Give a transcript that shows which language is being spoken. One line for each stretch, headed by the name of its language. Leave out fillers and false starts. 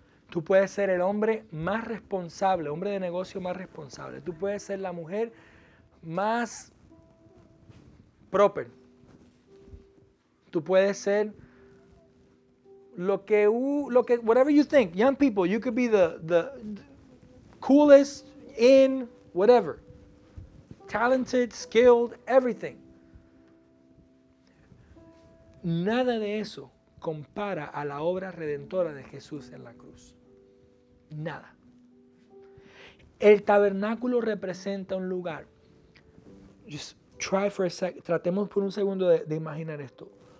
Spanish: Tú puedes ser el hombre más responsable, hombre de negocio más responsable. Tú puedes ser la mujer más proper. Tú puedes ser lo que
English: whatever you think. Young people, you could be the coolest in whatever. Talented, skilled, everything.
Spanish: Nada de eso compara a la obra redentora de Jesús en la cruz. Nada. El tabernáculo representa un lugar.
English: Just try for a second.
Spanish: Tratemos por un segundo de imaginar esto.